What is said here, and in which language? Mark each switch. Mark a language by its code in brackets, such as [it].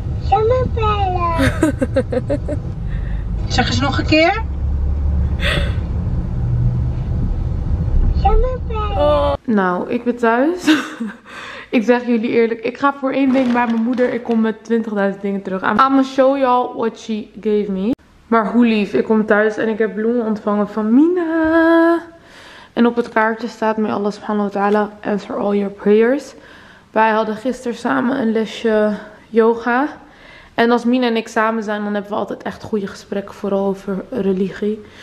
[nl] Jammerbellen. Zeg eens nog een keer. Oh. Nou, ik ben thuis. Ik zeg jullie eerlijk, ik ga voor 1 ding bij mijn moeder. Ik kom met 20.000 dingen terug. [en] I'm gonna show y'all what she gave me. [nl] Maar hoe lief, ik kom thuis en ik heb bloemen ontvangen van Mina. En op het kaartje staat mij [ar] Allah subhanahu wa ta'ala, [en] answer all your prayers. [nl] Wij hadden gisteren samen een lesje yoga. En als Mina en ik samen zijn, dan hebben we altijd echt goede gesprekken, vooral over religie.